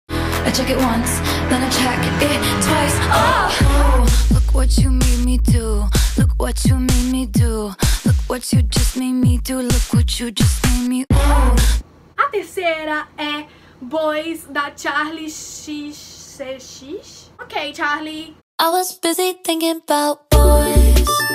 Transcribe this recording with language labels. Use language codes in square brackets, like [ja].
[en] I check it once, then I check it twice. Oh, look what you made me do. Look what you made me do. Look what you just made me do. Look what you just made me. Oh. [pt] A terceira é Boys da Charlie XCX. Ok, Charlie. [en] I was busy thinking about boys.